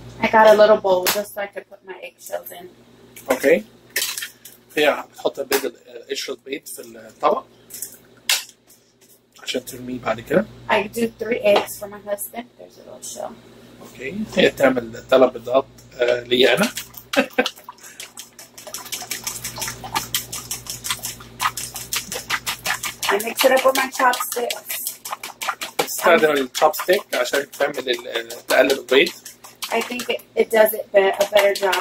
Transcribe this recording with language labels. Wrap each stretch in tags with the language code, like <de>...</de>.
<en>Got a little bowl just so I could put my eggshells in. Okay. Yeah, put a big eggshell plate in the top. I should turn me back here. I do 3 eggs for my husband. There's a little shell. Okay.</en> <ar>هي تعمل ثلاث بيضات لي أنا.</ar> <en>I mix it up with my chopsticks.</en> <ar>استخدم الشوبستيك عشان تعمل تقلب البيض.</ar> <en>I think it does it a better job.</en>